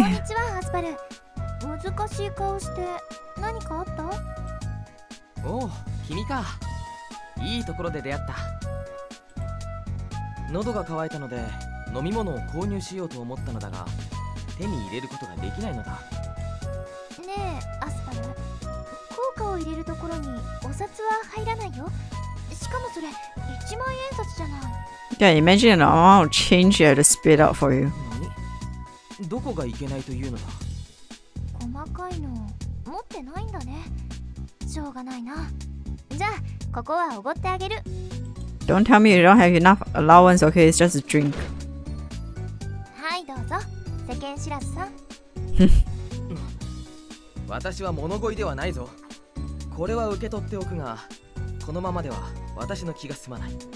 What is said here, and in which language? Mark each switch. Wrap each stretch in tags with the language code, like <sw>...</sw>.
<ja>こんにちは、アスパル。難しい顔して何かあった？お、君か。いいところで出会った。喉が渇いたので飲み物を購入しようと思ったのだが、手に入れることができないのだ。ねえ、アスパル。硬貨を入れるところにお札は入らないよ。しかもそれ1万円札じゃない。</ja> <en>Yeah, imagine an amount of change you had to spit out for you.</en> <ja>どこが行けないというのだ。細かいの持ってないんだね。しょうがないな。じゃあここはおごってあげる。</ja> <en>Don't tell me you don't have enough allowance, okay? It's just a drink.</en> <ja>はい、どうぞ。世間知らずさ。私は物乞いではないぞ。これは受け取っておくが、このままでは私の気が済まない。</ja>